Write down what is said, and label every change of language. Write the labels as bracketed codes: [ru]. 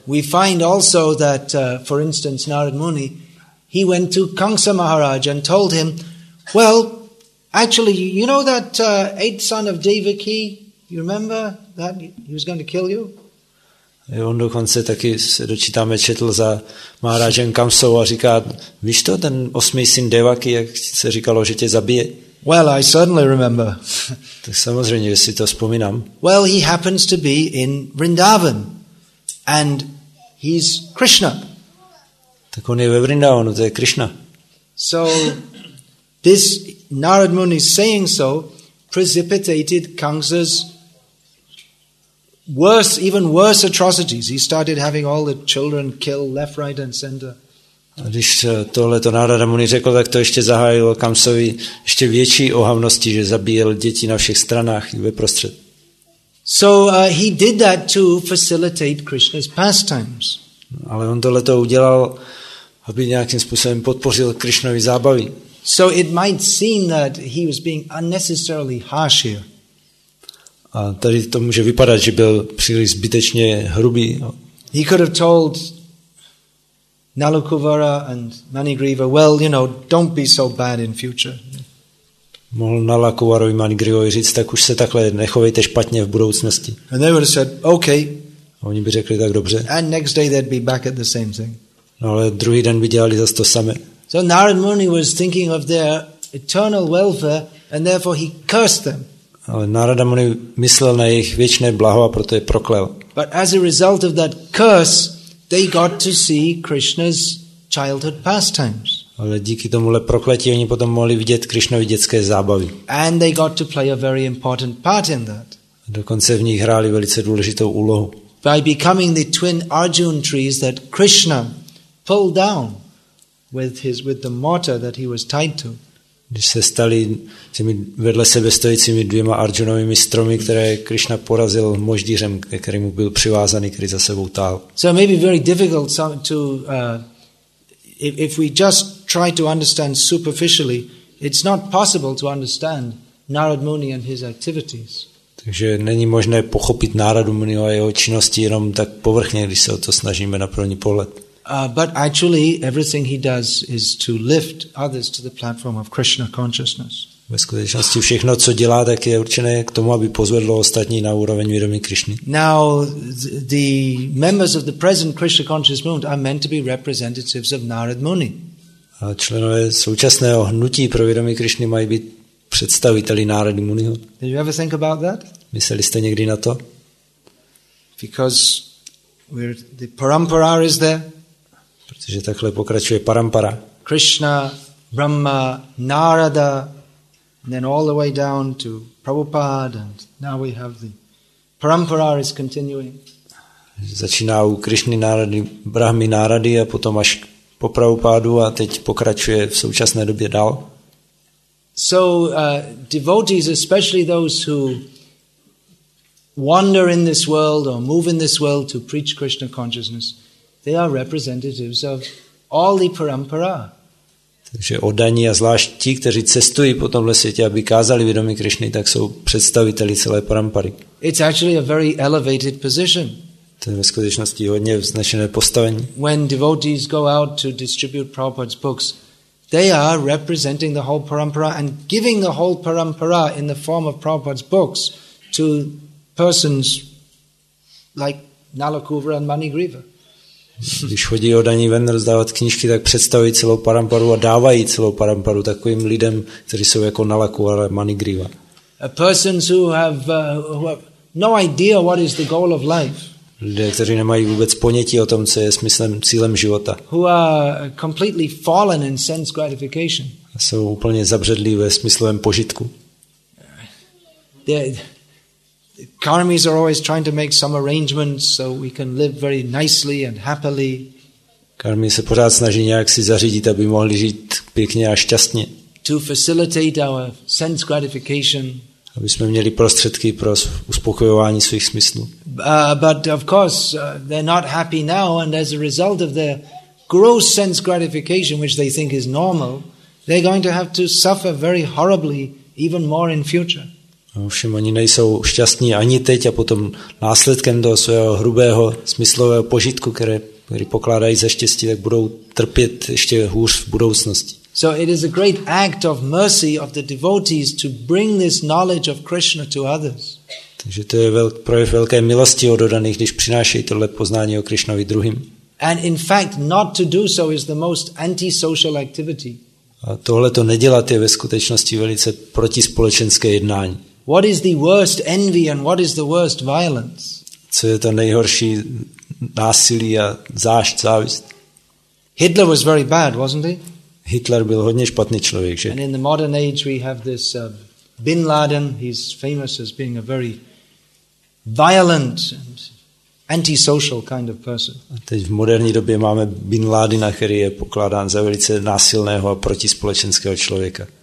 [en] We find also that, for instance, Narad Muni, he went to Kamsa Maharaj and told him, well, actually, you know that eighth son of Devaki? You remember that he was going to kill you? [cs] On dokonce taky se dočítáme četl za Maharajem Kamsou a říká, víš to, ten osmý syn Devaki, jak se říkalo, že tě zabije? [en] Well, I certainly remember. [cs] Tak samozřejmě si to vzpomínám. [en] Well, he happens to be in Vrindavan and he's Krishna. [cs] Tak on je ve Vrindavanu, to je Krishna. [en] So this Narad Muni saying so precipitated Kamsa's worse, even worse atrocities. He started having all the children killed left, right and center. [cs] A když tohle to Narada Muni řekl, tak to ještě zahájilo Kamsovi ještě větší ohavnosti, že zabíjel děti na všech stranách i veprostřed. [en] So he did that to facilitate Krishna's pastimes. [cs] Ale on tohle to udělal, aby nějakým způsobem podpořil Krishnovy zábavy. [en] So it might seem that he was being unnecessarily harsh here. [cs] A tady to může vypadat, že byl příliš zbytečně hrubý. [en] He could have told Nalukuvara and Manigriva, well, you know, don't be so bad in future. [cs] Mohl Nalukuvarovi i Manigrivovi říct, tak už se takhle nechovejte špatně v budoucnosti. [en] And they would have said, okay. [cs] A oni by řekli, tak dobře. [en] And next day they'd be back at the same thing. [cs] No, ale druhý den by dělali zase to samé. [en] So Narad Muni was thinking of their eternal welfare and therefore he cursed them. [cs] Ale Narada Muni myslel na jejich věčné blaho a proto je proklel. [en] But as a result of that curse, they got to see Krishna's childhood pastimes. [cs] Ale díky tomuhle prokletí oni potom mohli vidět Krishnovy dětské zábavy. [en] And they got to play a very important part in that. [cs] Dokonce v nich hráli velice důležitou úlohu. [en] By becoming the twin Arjun trees that Krishna pulled down with the mortar that he was tied to. [cs] Když se stali těmi vedle sebe stojícími dvěma Arjunovými stromy, které Krishna porazil moždířem, který mu byl přivázaný, který za sebou táhl. [en] So maybe very difficult to if we just try to understand superficially, it's not possible to understand Narad Muni and his activities. [cs] Takže není možné pochopit Narada Muniho a jeho činnosti jenom tak povrchně, když se o to snažíme na první pohled. [en] But actually, everything he does is to lift others to the platform of Krishna consciousness. [cs] Ve skutečnosti všechno, co dělá, tak je určené k tomu, aby pozvedlo ostatní na úroveň vědomí Krishny. [en] Now, the members of the present Krishna conscious movement are meant to be representatives of Narad Muni. [cs] A členové současného hnutí pro vědomí Krishny mají být představiteli Narada Muniho. [en] Did you ever think about that? [cs] Mysleli jste někdy na to? [en] Because we're, the parampara is there. [cs] Protože takhle pokračuje parampara. [en] Krishna, Brahma, Narada, and then all the way down to Prabhupada, and now we have the parampara is continuing. [cs] Začíná u Krishny, Narady, Brahmy, Narady a potom až po Prabhupádu a teď pokračuje v současné době dál. [en] So devotees, especially those who wander in this world or move in this world to preach Krishna consciousness, they are representatives of all the parampara. [cs] Takže oddaní a zvlášť ti, kteří cestují po tomhle světě, aby kázali vědomí Krišny, tak jsou představiteli celé parampary. [en] It's actually a very elevated position. [cs] To je ve skutečnosti hodně vznešené postavení. [en] When devotees go out to distribute Prabhupada's books, they are representing the whole parampara and giving the whole parampara in the form of Prabhupada's books to persons like Nalukuvara and Manigriva. [cs] Když chodí oddaní ven rozdávat knížky, tak představují celou paramparu a dávají celou paramparu takovým lidem, kteří jsou jako Nalukuvara a Manigriva. [en] A persons who have no idea what is the goal of life. [cs] Lidé, kteří nemají vůbec ponětí o tom, co je smyslem, cílem života. [en] Who are completely fallen in sense gratification. [cs] jsou úplně zabředlí ve smyslovém požitku. [en] The karmis are always trying to make some arrangements so we can live very nicely and happily. [cs] Karmi se pořád snaží nějak si zařídit, aby mohli žít pěkně a šťastně. [en] To facilitate our sense gratification. [cs] Aby jsme měli prostředky pro uspokojování svých smyslů. [en] But of course they're not happy now and as a result of their gross sense gratification which they think is normal, they're going to have to suffer very horribly even more in future. [cs] Ovšem, oni nejsou šťastní ani teď a potom následkem toho svého hrubého smyslového požitku, který pokládají za štěstí, tak budou trpět ještě hůř v budoucnosti. [en] So it is a great act of mercy of the devotees to bring this knowledge of Krishna to others. [cs] Takže to je projev velké milosti od dodaných, když přinášejí tohle poznání o Krišnovi druhým. [en] And in fact, not to do so is the most antisocial activity. [cs] A tohle to nedělat je ve skutečnosti velice protispolečenské jednání. [en] What is the worst envy and what is the worst violence? [cs] Co je to nejhorší násilí a zášť, závist? [en] Hitler was very bad, wasn't he? [cs] Hitler byl hodně špatný člověk, že? [en] And in the modern age we have this Bin Laden, he's famous as being a very violent and antisocial kind of person. [cs] A teď v moderní době máme Bin Ládina, který je pokládán za velice násilného a protispolečenského člověka.